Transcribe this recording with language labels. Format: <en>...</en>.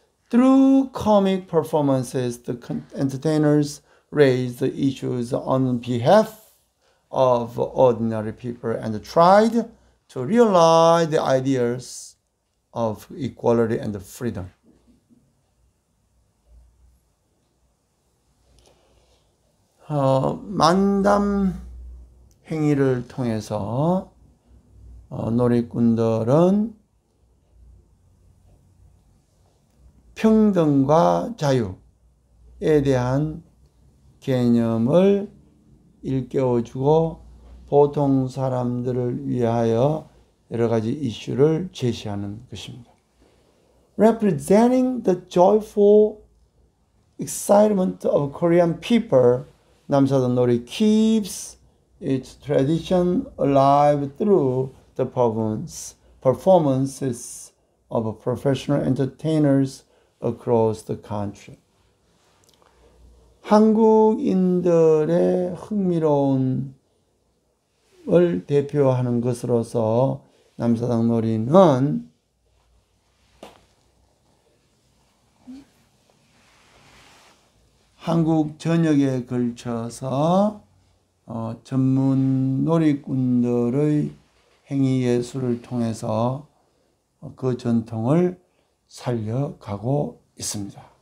<en>Through comic performances, the entertainers raised issues on behalf of ordinary people and tried to realize the ideals of equality and freedom.</en> <ko>만담 행위를 통해서 놀이꾼들은 평등과 자유에 대한 개념을 일깨워주고 보통 사람들을 위하여 여러 가지 이슈를 제시하는 것입니다.</ko> <en>Representing the joyful excitement of Korean people, 남사도놀이 keeps its tradition alive through the performances of professional entertainers across the country.</en> <ko>한국인들의 흥미로움을 대표하는 것으로서 남사당놀이는 한국 전역에 걸쳐서 전문 놀이꾼들의 행위 예술을 통해서 그 전통을 살려가고 있습니다.</ko>